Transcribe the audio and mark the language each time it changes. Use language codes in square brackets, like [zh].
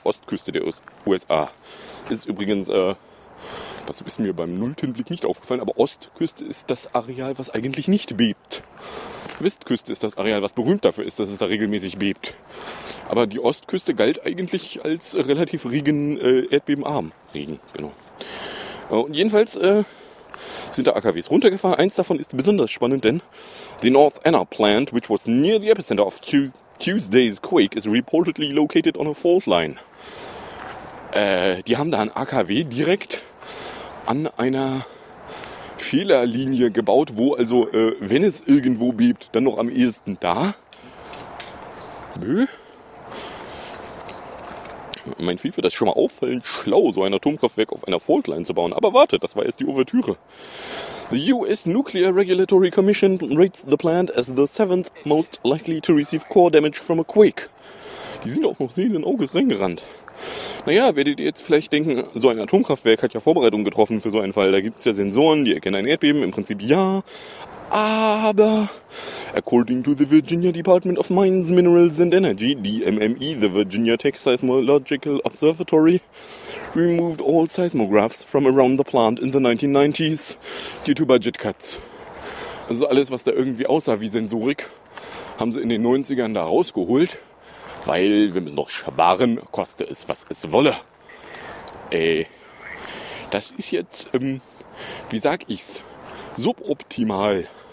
[de] Ostküste der USA. Ist übrigens, das ist mir beim nullten Blick nicht aufgefallen, aber Ostküste ist das Areal, was eigentlich nicht bebt. Westküste ist das Areal, was berühmt dafür ist, dass es da regelmäßig bebt. Aber die Ostküste galt eigentlich als relativ Regen, erdbebenarm. Regen, genau. Und jedenfalls sind da AKWs runtergefahren. Eins davon ist besonders spannend, denn [en] the North Anna plant, which was near the epicenter of Tuesday's quake, is reportedly located on a fault line. [de] Die haben da ein AKW direkt an einer Fehlerlinie gebaut, wo also, wenn es irgendwo bebt, dann noch am ehesten da. Bö. Mein Fiefe, das ist schon mal auffallend schlau, so ein Atomkraftwerk auf einer Faultline zu bauen. Aber warte, das war erst die Ouvertüre. [en] The US Nuclear Regulatory Commission rates the plant as the seventh most likely to receive core damage from a quake. [de] Die sind auch noch sehenden Auges reingerannt. Naja, werdet ihr jetzt vielleicht denken, so ein Atomkraftwerk hat ja Vorbereitungen getroffen für so einen Fall. Da gibt es ja Sensoren, die erkennen ein Erdbeben. Im Prinzip ja. [en] Aber according to the Virginia Department of Mines, Minerals and Energy, DMME, the Virginia Tech Seismological Observatory, removed all seismographs from around the plant in the 1990s due to budget cuts. [de] Also alles, was da irgendwie aussah wie Sensorik, haben sie in den 90ern da rausgeholt, weil wir müssen noch sparen, koste es, was es wolle. Das ist jetzt, wie sag ich's, suboptimal.